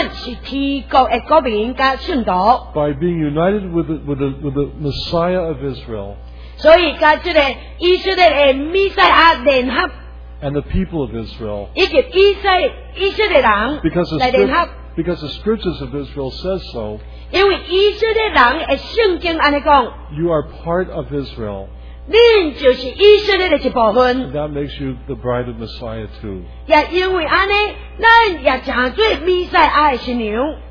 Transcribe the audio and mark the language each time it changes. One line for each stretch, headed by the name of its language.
English: By being united with the Messiah of Israel.
Chinese: 所以跟这个以色列的弥赛亚联合
English: and the people of Israel
Chinese: 以及以色列人
English: because the scriptures of Israel says so
Chinese: 因为以色列人的圣经这样说
English: you are part of Israel
Chinese: 您就是以色列的一部分
English: that makes you the bride of Messiah too
Chinese: 也因为这样咱也成为弥赛亚的新娘